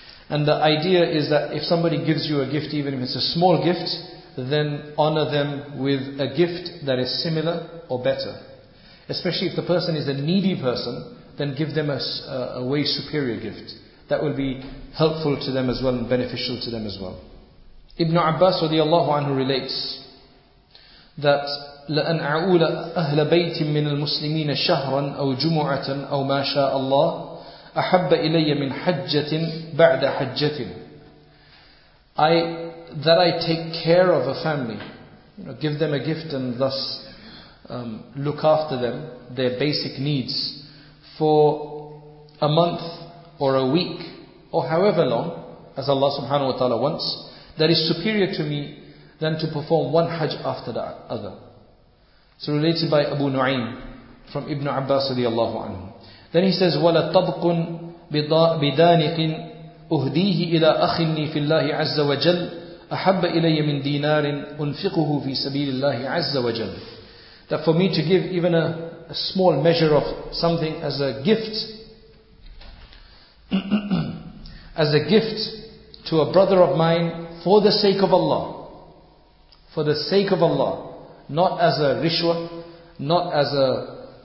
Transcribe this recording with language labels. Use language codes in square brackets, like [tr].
[en] And the idea is that if somebody gives you a gift, even if it's a small gift, then honor them with a gift that is similar or better. Especially if the person is a needy person, then give them a way superior gift. That will be helpful to them as well and beneficial to them as well. Ibn Abbas radiallahu anhu relates that [ar] لَأَنْ أَعُولَ أَهْلَ بَيْتٍ مِّنَ الْمُسْلِمِينَ شَهْرًا أَوْ جُمُعَةً أَوْ مَا شَاءَ اللَّهِ أَحَبَّ إِلَيَّ مِنْ حَجَّةٍ بَعْدَ حَجَّةٍ. [en] I take care of a family, you know, give them a gift and thus look after them, their basic needs, for a month or a week or however long, as Allah subhanahu wa ta'ala wants, that is superior to me than to perform one hajj after the other. So related by Abu Nu'aym from Ibn Abbas radiallahu anhu. Then he says, [ar] وَلَا طَبْقٌ بِدَانِقٍ أُهْدِيهِ إِلَىٰ أَخِنِّي فِي اللَّهِ عَزَّ وَجَلْ أَحَبَّ إِلَيَّ مِنْ دِينَارٍ أُنْفِقُهُ فِي سَبِيلِ اللَّهِ عَزَّ وَجَلْ. [en] That for me to give even a small measure of something as a gift, as a gift to a brother of mine for the sake of Allah, for the sake of Allah, not as a rishwa, not as a